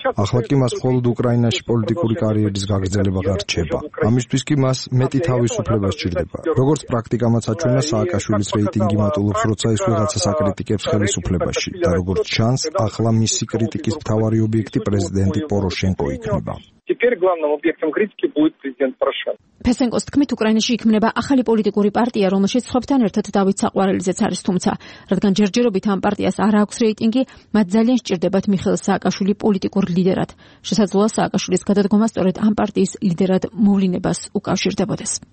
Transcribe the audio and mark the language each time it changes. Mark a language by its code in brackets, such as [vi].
[ka] ახლა კი მას მხოლოდ უკრაინაში პოლიტიკური კარიერის გაგრძელება გარჩება. ამისთვის კი მას მეტი თავისუფლება სჭირდება. როგორც პრაქტიკამაც აჩვენა, სააკაშვილის რეიტინგი მატულობს, როცა ის ვიღაცას აკრიტიკებს ხელისუფლებაში, და როგორც ჩანს, ახლა მისი კრიტიკის მთავარი ობიექტი პრეზიდენტი პოროშენკო იქნება. [ru] Теперь главным объектом критики будет президент Порошенко. [ka] Песенкос თქმით, უკრაინაში იქმნება ახალი პოლიტიკური პარტია, რომელშიც ხופთან ერთად დავით საყვარელიზეც არის, თუმცა რადგან ჯერჯერობით ამ პარტიას არ აქვს რეიტინგი, მათ ძალიან სჭირდებათ მიხეილ სააკაშვილი პოლიტიკურ ლიდერად. შესაძლოა სააკაშვილის გადადგომა სწორედ ამ პარტიის ლიდერად მოვლინებას უკავშირდებოდეს.